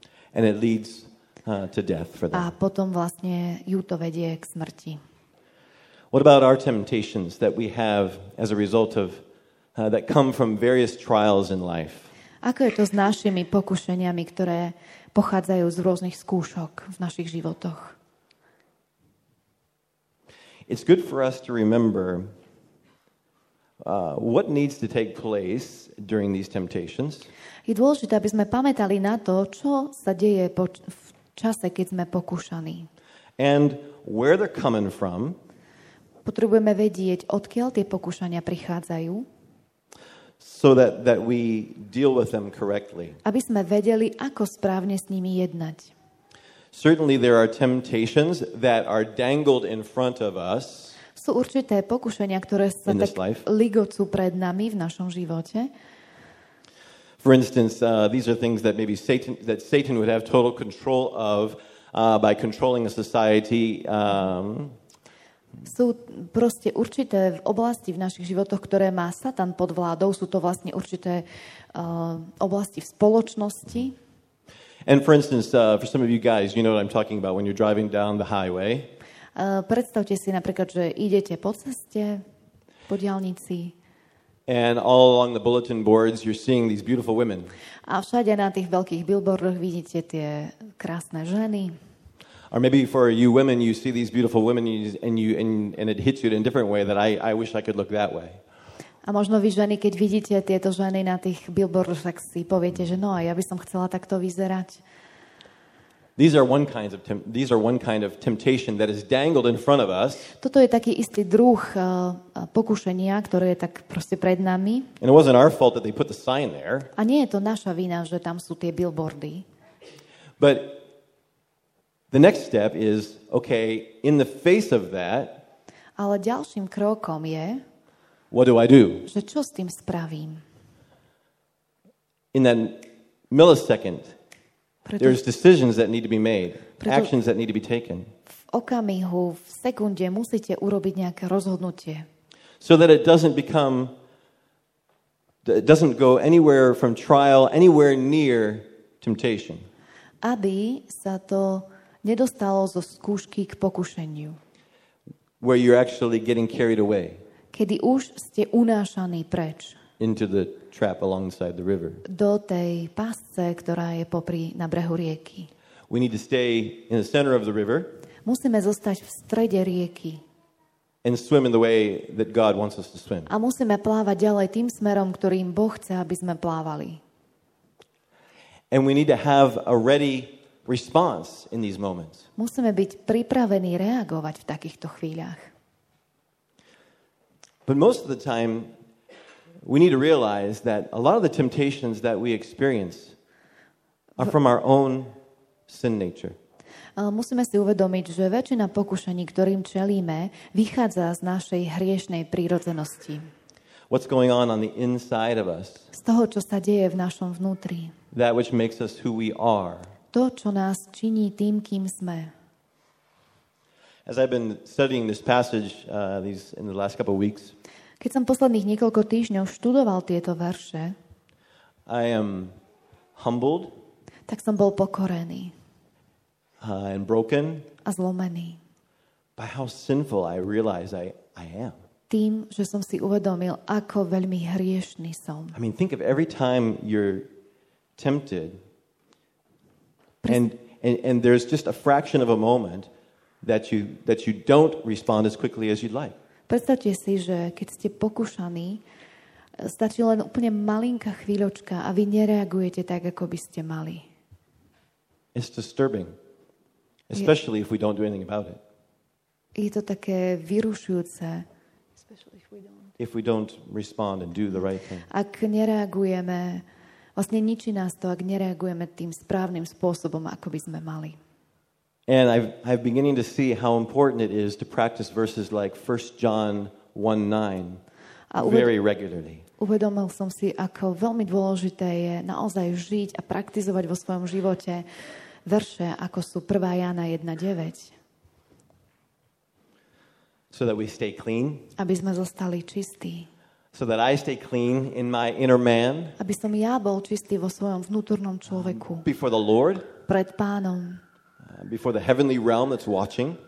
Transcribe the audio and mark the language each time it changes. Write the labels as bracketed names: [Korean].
[English] And it leads, to death for them. [Slovak] A potom vlastne ju to vedie k smrti. [English] What about our temptations that we have as a result of that come from various trials in life? [Slovak] Ako je to s našimi pokušeniami, ktoré pochádzajú z rôznych skúšok v našich životoch? [English] It's good for us to remember what needs to take place during these temptations. [Slovak] Je dôležité, aby sme pamätali na to, čo sa deje v čase, keď sme pokúšaní. [English] And where they're coming from. [Slovak] Potrebujeme vedieť, odkiaľ tie pokúšania prichádzajú. [English] So that we deal with them correctly. [Slovak] Aby sme vedeli, ako správne s nimi jednať. [English] Certainly there are temptations that are dangled in front of us. [Slovak] Sú určité pokušenia, ktoré sa tak ligocú pred nami v našom živote. [English] For instance, these are things that maybe Satan would have total control of by controlling a society [Slovak] Sú proste určité oblasti v našich životoch, ktoré má Satan pod vládou, sú to vlastne určité oblasti v spoločnosti. [English] And for instance, for some of you guys, you know what I'm talking about when you're driving down the highway. [Slovak] Predstavte si napríklad, že idete po ceste, po diaľnici. [English] And all along the bulletin boards you're seeing these beautiful women. [Slovak] A všade na tých veľkých billboardoch vidíte tie krásne ženy. [English] Or maybe for you women you see these beautiful women and it hits you in a different way that I wish I could look that way. [Slovak] A možno vy ženy, keď vidíte tieto ženy na tých billboardoch, tak si poviete, že no, ja by som chcela takto vyzerať. [English] These are one kind of temptation that is dangled in front of us. [Slovak] Toto je taký istý druh pokušenia, ktoré je tak proste pred nami. [English] And it wasn't our fault that they put the sign there. [Slovak] A nie je to naša vina, že tam sú tie billboardy. [English] But the next step is, okay, in the face of that, [Slovak] ale ďalším krokom je, [English] what do I do? [Slovak] Že čo s tým spravím? [English] In that millisecond, there's decisions that need to be made, actions that need to be taken. [Slovak] V okamihu, v sekunde musíte urobiť nejaké rozhodnutie. [English] So that it doesn't become, it doesn't go anywhere from trial, anywhere near temptation. [Slovak] Aby sa to nedostalo zo skúšky k pokušeniu. [English] Where you're actually getting carried away. [Slovak] Kedy už ste unášaní preč. [English] Into the trap alongside the river. [Slovak] Do tej pasce, ktorá je popri na brehu rieky. [English] We need to stay in the center of the river. [Slovak] Musíme zostať v strede rieky. [English] And swim in the way that God wants us to swim. [Slovak] A musíme plávať ďalej tým smerom, ktorým Boh chce, aby sme plávali. [English] And we need to have a ready response in these moments. [Slovak] Musíme byť pripravení reagovať v takýchto chvíľach. [English] But most of the time we need to realize that a lot of the temptations that we experience are from our own sin nature. [Slovak] Musíme si uvedomiť, že väčšina pokušení, ktorým čelíme, vychádza z našej hriešnej prírodzenosti. [English] What's going on the inside of us? [Slovak] Z toho, čo sa deje v našom vnútri. [English] That which makes us who we are. [Slovak] To, čo nás činí tým, kým sme. [English] As I've been studying this passage these in the last couple of weeks, [Slovak] keď som posledných niekoľko týždňov študoval tieto verše, [English] I am humbled, [Slovak] tak som bol pokorený [English] and broken, [Slovak] a zlomený [English] by how sinful I realize I am. [Slovak] Tým, že som si uvedomil, ako veľmi hriešný som. [English] I mean, think of every time you're tempted and there's just a fraction of a moment that you don't respond as quickly as you'd like. [Slovak] Predstavte si, že keď ste pokúšaní, stačí len úplne malinká chvíľočka a vy nereagujete tak, ako by ste mali. [English] It's disturbing. Especially if we don't do anything about it. [Slovak] Je to také vyrušujúce. [English] If we don't respond and do the right thing. [Slovak] Ak nereagujeme, vlastne ničí nás to, ak nereagujeme tým správnym spôsobom, ako by sme mali. [English] And I've beginning to see how important it is to practice verses like 1 John 1:9 very regularly. [Slovak] Uvedomil som si, ako veľmi dôležité je naozaj žiť a praktizovať vo svojom živote verše, ako sú 1 Jana 1:9. [English] So that we stay clean. [Slovak] Aby sme zostali čistí. [English] So that I stay clean in my inner man. [Slovak] Aby som ja bol čistý vo svojom vnútornom človeku. [English] Before the Lord. [Slovak] Pred Pánom. [English] Before the heavenly realm that's watching.